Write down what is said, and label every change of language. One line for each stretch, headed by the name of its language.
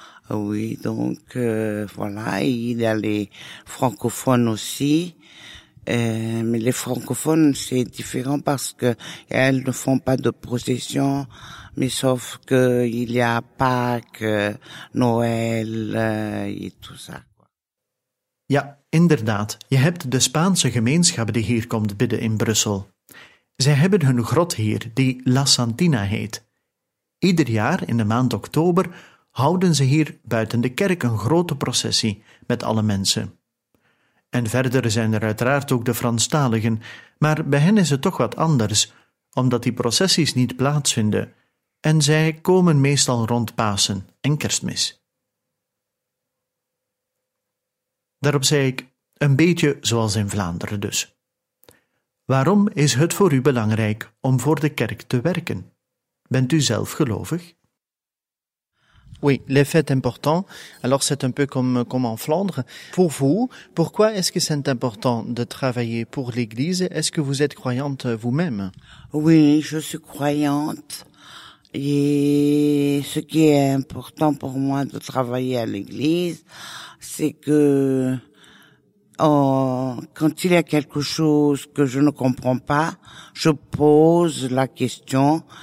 French: Oui, donc voilà, et il y a les francophones aussi. Mais les francophones, c'est différent parce que elles ne font pas de procession, mais sauf que il y a Pâques, Noël, et tout ça.
Dutch: Ja, inderdaad. Je hebt de Spaanse gemeenschap die hier komt bidden in Brussel. Zij hebben hun grot hier, die La Santina heet. Ieder jaar, in de maand oktober, houden ze hier buiten de kerk een grote processie met alle mensen. En verder zijn er uiteraard ook de Franstaligen, maar bij hen is het toch wat anders, omdat die processies niet plaatsvinden en zij komen meestal rond Pasen en Kerstmis. Daarop zei ik, een beetje zoals in Vlaanderen dus. Waarom is het voor u belangrijk om voor de kerk te werken? Bent u zelf gelovig?
French: Oui, les fêtes importants. Alors c'est un peu comme en Flandre. Pour vous, pourquoi est-ce que c'est important de travailler pour l'Église? Est-ce que vous êtes croyante vous-même? Oui, je suis croyante. Et ce qui est important pour moi de travailler à l'Église, c'est que quand il y a quelque chose que je ne comprends pas, je pose la question.